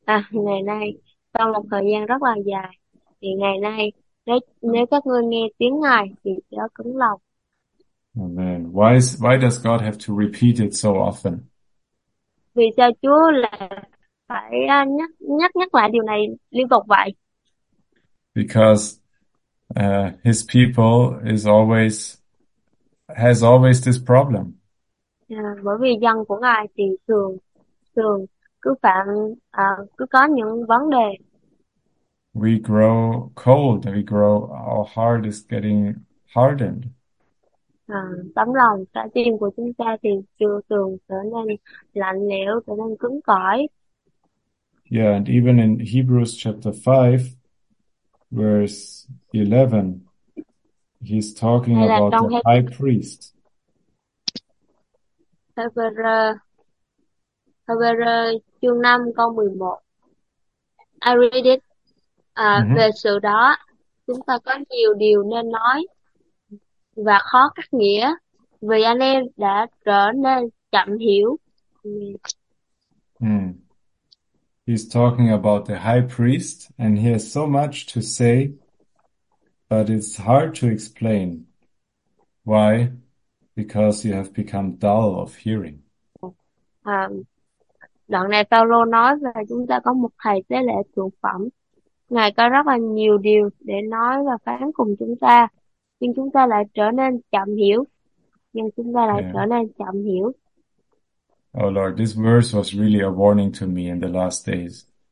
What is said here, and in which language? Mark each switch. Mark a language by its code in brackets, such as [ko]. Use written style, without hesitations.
[vi] ngày nay sau một thời gian rất là dài thì ngày nay nếu các ngươi nghe tiếng Ngài thì chớ cứng lòng. Amen. [en] Why does God have to repeat it so often? [vi] Vì sao Chúa là phải nhắc nhắc nhắc lại điều này liên tục vậy? [en] Because his people is always has always this problem. [vi] Bởi vì dân của Ngài thì thường thường cứ phạm cứ có những vấn đề. [en] We grow cold, we grow, our heart is getting hardened. [vi] Tấm lòng trái tim của chúng ta thì chưa từng trở nên lạnh lẽo, trở nên cứng cỏi. [en] And even in Hebrews chapter 5, verse 11, he's talking [vi] Hay là [en] about [vi] trong [en] the high priest. [vi] Hebrew chương 5 câu 11. [en] I read it. [vi] Về sự đó, chúng ta có nhiều điều nên nói và khó cắt nghĩa vì anh em đã trở nên chậm hiểu. [en] He's talking about the high priest, and he has so much to say, but it's hard to explain. Why? Because you have become dull of hearing. [vi] Đoạn này Phaolô nói là chúng ta có một thầy tế lễ thượng phẩm. Ngài có rất là nhiều điều để nói và phán cùng chúng ta, nhưng chúng ta lại trở nên chậm hiểu. Nhưng chúng ta lại trở nên chậm hiểu. [en] Oh Lord, this verse was really a warning to me in the last days.